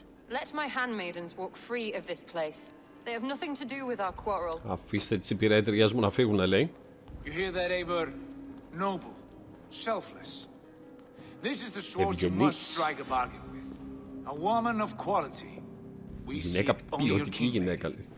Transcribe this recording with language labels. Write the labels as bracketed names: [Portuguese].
[English] Let my handmaidens walk free of this place. They have nothing to do with our quarrel. [Greek] Αφήστε τις υπηρέτριες μου να φύγουν, λέει. [English] You hear that, Eivor? Noble, selfless. This is the sword you must strike a bargain with. A woman of quality. We seek only your kingdom.